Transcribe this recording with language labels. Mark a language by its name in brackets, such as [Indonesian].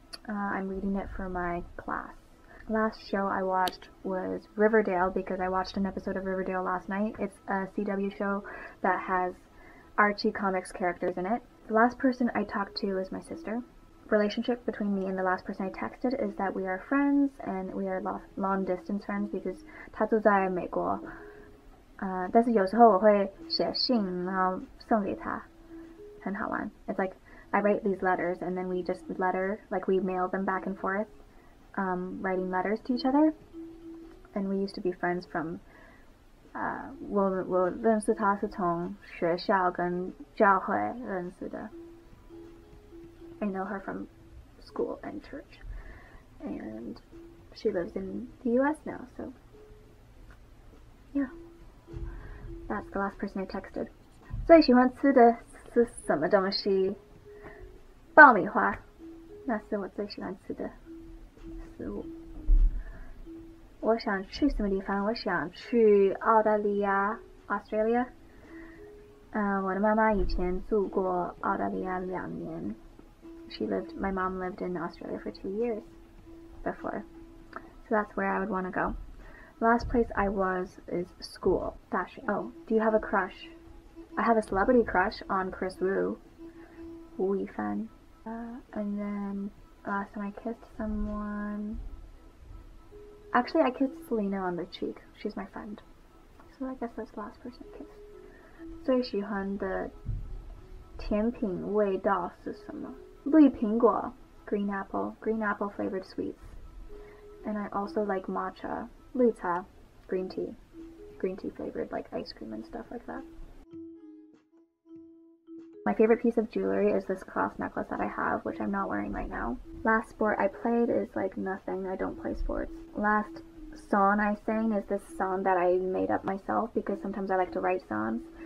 [English] I'm reading it for my class. Last show I watched was Riverdale because I watched an episode of Riverdale last night. It's a CW show that has Archie Comics characters in it. The last person I talked to is my sister. Relationship between me and the last person I texted is that we are friends and we are long distance friends because [Chinese] 她住在美国。但是有时候我会写信然后送给她，很好玩。 [English] It's like I write these letters and then we just letter, like we mail them back and forth, writing letters to each other. And we used to be friends from, [Chinese] 我认识他是从学校跟教会认识的。 [English] I know her from school and church. And she lives in the US now, so yeah. That's the last person I texted. [Chinese] 最喜欢吃的是什么东西？爆米花，那是我最喜欢吃的食物。我想去什么地方？我想去澳大利亚，Australia。我的妈妈以前住过澳大利亚2年。 [English] My mom lived in Australia for 2 years before. So that's where I would want to go. Last place I was is school. 大学。Oh, do you have a crush? I have a celebrity crush on Chris Wu. 吴亦凡。 And then last time I kissed someone, Actually, I kissed Selena on the cheek. She's my friend. So I guess that's the last person I kissed. [Chinese] 最喜欢的甜品味道是什么? [English] 绿苹果, green apple flavored sweets. And I also like matcha, 绿茶, green tea flavored like ice cream and stuff like that. My favorite piece of jewelry is this cross necklace that I have, which I'm not wearing right now. Last sport I played is like nothing, I don't play sports. Last song I sang is this song that I made up myself because sometimes I like to write songs.